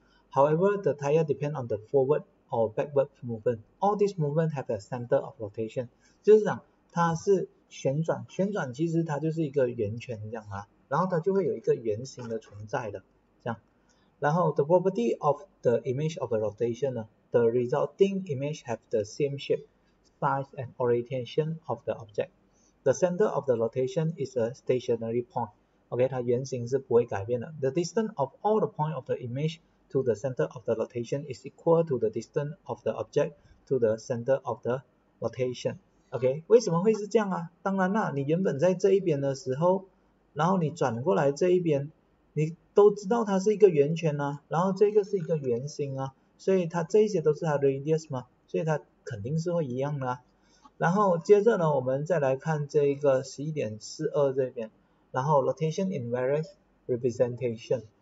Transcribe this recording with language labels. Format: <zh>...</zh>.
<en>However, the tire depend on the forward or backward movement. All these movement have a center of rotation.</en> <zh>就是讲它是旋转，旋转其实它就是一个圆圈这样啊，然后它就会有一个圆形的存在的这样。</zh> <en>然后 the property of the image of a rotation 呢，the resulting image have the same shape, size and orientation of the object. The center of the rotation is a stationary point.</en> <zh>OK，它圆形是不会改变的。</zh> <en>The distance of all the point of the image to the center of the rotation is equal to the distance of the object to the center of the rotation.</en> <zh>OK，为什么会是这样啊？当然啦，你原本在这一边的时候，然后你转过来这一边，你都知道它是一个圆圈啊，然后这个是一个圆心啊，所以它这些都是它的 radius 嘛，所以它肯定是会一样的啊。然后接着呢，我们再来看这一个11.42这边，然后</zh> <en>rotation invariance representation。</en>